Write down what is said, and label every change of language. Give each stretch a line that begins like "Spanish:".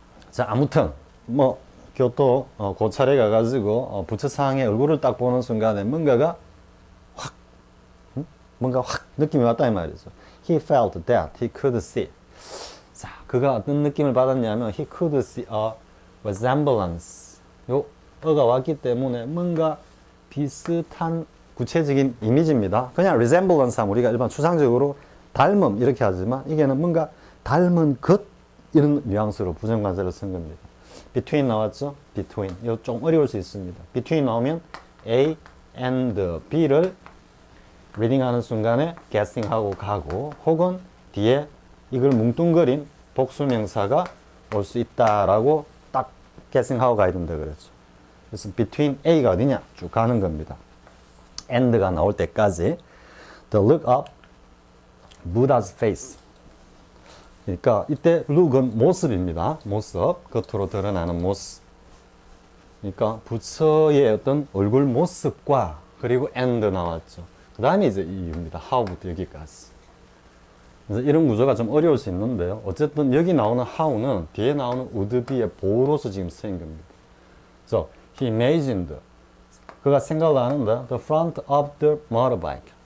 Korean: 자, 아무튼 뭐 교토 고찰에 가가지고 부처상의 얼굴을 딱 보는 순간에 뭔가 확 느낌이 왔다 이 말이죠.
English: He felt that he could see.
Korean: 자, 그가 어떤 느낌을 받았냐면
English: he could see a resemblance.
Korean: 요, 어가 왔기 때문에 뭔가 비슷한 구체적인 이미지입니다. 그냥 resemblance 하면 우리가 일반 추상적으로 닮음 이렇게 하지만 이게는 뭔가 닮은 것 이런 뉘앙스로 부정관사를 쓴 겁니다. between 나왔죠?
English: between.
Korean: 요, 좀 어려울 수 있습니다. between 나오면 A and B를 reading 하는 순간에 guessing 하고 가고 혹은 뒤에 이걸 뭉뚱그린 복수명사가 올수 있다라고 guessing하고 가야 된다 그랬죠. 그래서 between A가 어디냐? 쭉 가는 겁니다. and가 나올 때까지.
English: The look of Buddha's face.
Korean: 그러니까 이때 look은 모습입니다. 모습. 겉으로 드러나는 모습. 그러니까 부처의 어떤 얼굴 모습과 그리고 and 나왔죠. 그 다음에 이제 이겁니다. how부터 여기까지. 그래서 이런 구조가 좀 어려울 수 있는데요. 어쨌든 여기 나오는 how는 뒤에 나오는
English: would be
Korean: 의 보호로서 지금 쓰인 겁니다.
English: So, he imagined.
Korean: 그가 생각을 하는데,
English: the front of the motorbike.